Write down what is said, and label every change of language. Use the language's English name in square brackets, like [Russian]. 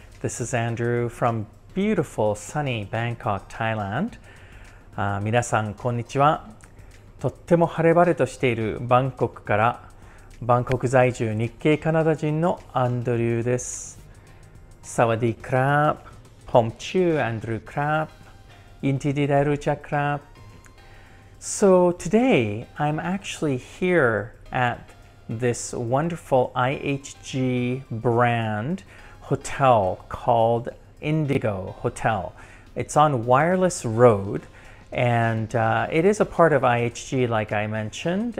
[English] This is Andrew from beautiful sunny Bangkok, Thailand. [Japanese] 皆さんこんにちは。とっても晴れ晴れとしているバンコクからバンコク在住日系カナダ人のアンドリューです。 [Thai] サワディクラップ、ポンチュー、アンドリュークラップ、インティディダルチャクラップ。 [English] So today, I'm actually here at this wonderful IHG brand hotel called Indigo Hotel. It's on Wireless Road, and it is a part of IHG, like I mentioned.